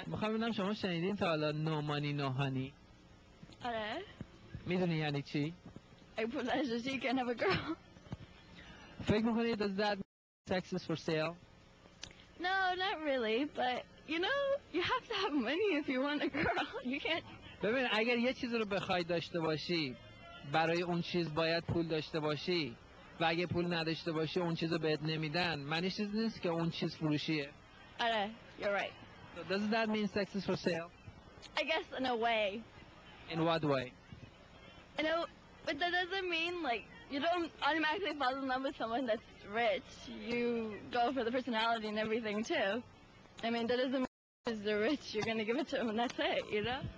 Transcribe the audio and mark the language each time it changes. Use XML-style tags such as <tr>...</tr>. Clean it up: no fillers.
<fa>مخوام بگم شما شنیدین تا حالا</fa> <en>no money no honey.</en> <fa>آره. میدونی یعنی چی؟</fa> <en>I put that as you can have a girl.</en> <fa>فکر میکنی</fa> <en>does that sex is for sale? No, not really. But you know, you have to have money if you want a girl. You can't.</en> <fa>ببین اگر یه چیز رو بخوای داشته باشی برای اون چیز باید پول داشته باشی و اگه پول نداشته باشی اون چیز رو بهت نمیدن، معنی چیز نیست که اون چیز فروشیه. آره،</fa> <en>you're right. So does that mean sex is for sale? I guess in a way. In what way? I know, but that doesn't mean like you don't automatically fall in love with someone that's rich. You go for the personality and everything too. I mean that doesn't mean because they're rich you're gonna give it to them and that's it, you know?</en>